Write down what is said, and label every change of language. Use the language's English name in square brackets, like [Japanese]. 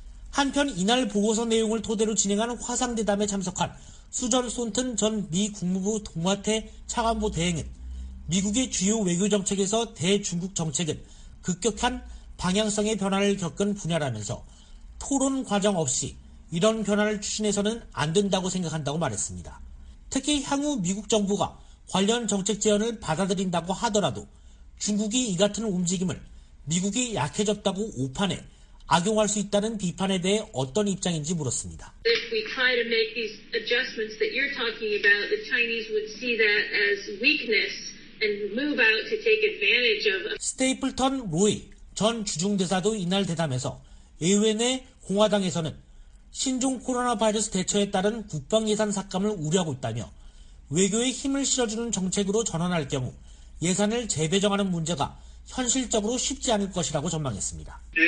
[Korean] 한편 이날 보고서 내용을 토대로 진행한 화상대담에 참석한 수전 손튼 전 미 국무부 동아태 차관보 대행은 미국의 주요 외교정책에서 대중국 정책은 급격한 방향성의 변화를 겪은 분야라면서 토론 과정 없이 이런 변화를 추진해서는 안 된다고 생각한다고 말했습니다. 특히 향후 미국 정부가 관련 정책 제안을 받아들인다고 하더라도 중국이 이 같은 움직임을 미국이 약해졌다고 오판해 악용할 수 있다는 비판에 대해 어떤 입장인지 물었습니다. [English] If we try to make these adjustments that you're talking about, the Chinese would see that as weakness and move out to take advantage of. [Korean] 스테이플턴 로이 전 주중대사도 이날 대담에서 의회 내 공화당에서는 신종 코로나 바이러스 대처에 따른 국방 예산 삭감을 우려하고 있다며 외교에 힘을 실어주는 정책으로 전환할 경우 예산을 재배정하는 문제가 현실적으로 쉽지 않을 것이라고 전망했습니다.